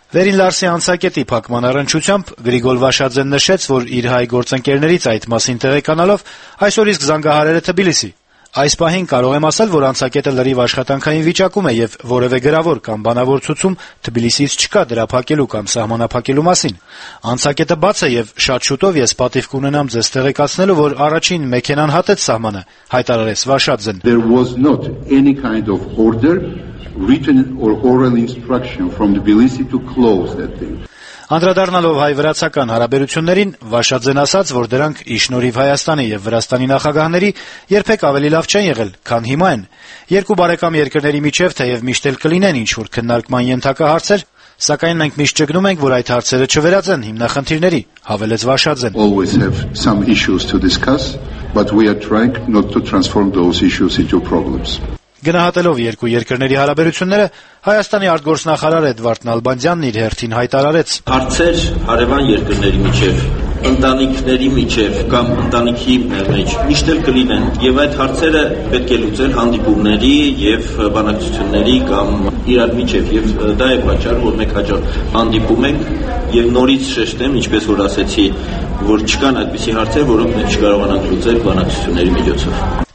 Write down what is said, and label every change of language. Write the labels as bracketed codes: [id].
[hy] Վերին Լարսի անցակետի փակման առնչությամբ Գրիգոլ Վաշաձեն նշեց, որ իր հայ գործընկերներից այդ մասին տեղեկանալով այսօր իսկ զանգահարել է Թբիլիսի։ Այս պահին կարող եմ ասել, որ անցակետը լրիվ աշխատանքային վիճակում է եւ որևէ գրավոր կամ բանավոր ցուցում Թբիլիսից չկա դրա փակելու կամ սահմանափակելու մասին։ Անցակետը բաց է եւ շատ շուտով ես պատիվ կունենամ ձեզ տեղեկացնելու, որ առաջին մեքենան հատեց սահմանը, հայտարարեց Վաշաձեն։ [en] There was not any kind of order, written or oral instruction from Tbilisi to close that thing. [hy] Անդրադառնալով հայ-վրացական հարաբերություններին, Վաշաձեն ասաց, որ դրանք իշնորիվ Հայաստանի եւ Վրաստանի նախագահների երբեք ավելի լավ չեն եղել, քան հիմա են։ Երկու բարեկամ երկրների միջև թեև միշտ էլ կլինեն ինչ-որ քննարկման ենթակա հարցեր, սակայն մենք միշտ ճգնում ենք, որ այդ հարցերը չվերածեն հիմնախնդիրների, հավելեց Վաշաձեն։ [en] Always have some issues to discuss, but we are trying not to transform those issues into problems. [hy] Գնահատելով երկու երկրների հարաբերությունները, Հայաստանի արտգործնախարար Էդվարդ Նալբանդյանն իր հերթին հայտարարեց. Հարցեր հարևան երկրների միջև, ընտանիքների միջև կամ ընտանիքի մեջ միշտ էլ կլինեն, եւ այդ հարցերը պետք է լուծել հանդիպումների եւ բանակցությունների կամ իրար միջև, եւ դա է պատճառը, որ մենք հաջորդ հանդիպում ենք եւ նորից շեշտեմ, ինչպես որ ասացի, որ չկան այդպիսի հարցեր, որոնք մենք չկարողանանք լուծել բանակցությունների միջոցով։